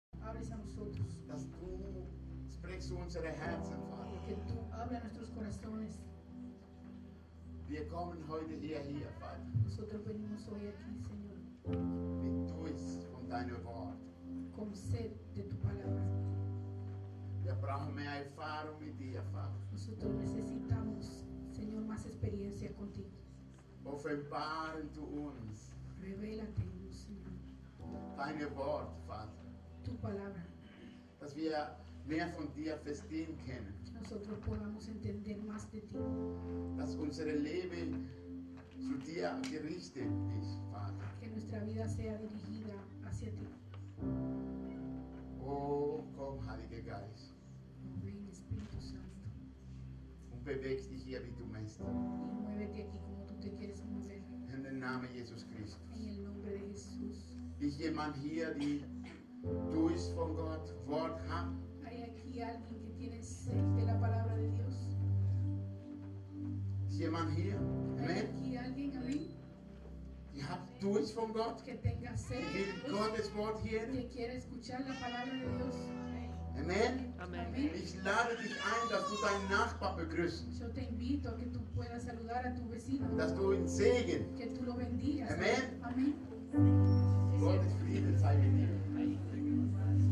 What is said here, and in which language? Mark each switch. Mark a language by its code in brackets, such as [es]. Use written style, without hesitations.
[de] Gottes, dass du sprichst unsere Herzen, Vater. [es] Que tú hablas nuestros corazones. [de] Wir kommen heute hierher, Vater. [es] Nosotros venimos hoy aquí, Señor. [de] Mit Durst von deinem Wort. [es] Con sed de tu palabra. [de] Wir brauchen mehr Erfahrung mit dir, Vater. [es] Nosotros necesitamos, Señor, más experiencia contigo. [de] Offenbare zu uns. [es] Revélate, Señor. [de] Deine Wort, Vater. [es] Tu palabra. [de] Dass wir mehr von dir verstehen können. [es] Nosotros podamos entender más de ti. [de] Dass unsere Leben zu dir gerichtet ist, Vater. [es] Que nuestra vida sea dirigida hacia ti. [de] Oh, komm, Heiliger Geist. [es] Ven, Espíritu Santo. [de] Und bewegst dich hier, wie du meinst. [es] Y muévete aquí como tú te quieres mover. [de] In den Namen Jesus Christus. [es] En el nombre de Jesús. [de] Ist jemand hier, die du bist von Gott, Wort haben? [es] Hay aquí alguien que tiene sed de la palabra de Dios. [de] Ist jemand hier? Amen. [es] Hay aquí alguien, amén. [de] Ich habe Durst von Gott. [es] Que tenga sed. [de] Ich will Gottes Wort hier. [es] Que quiere escuchar la palabra de Dios. [de] Amen. [es] Amen. Amen. [de] Ich lade dich ein, dass du deinen Nachbar begrüßen. [es] Yo te invito a que tú puedas saludar a tu vecino. [de] Dass du ihn segnen. [es] Que tú lo bendigas. [de] Amen. [es] Amen. [de] Gottes Friede sei mit dir.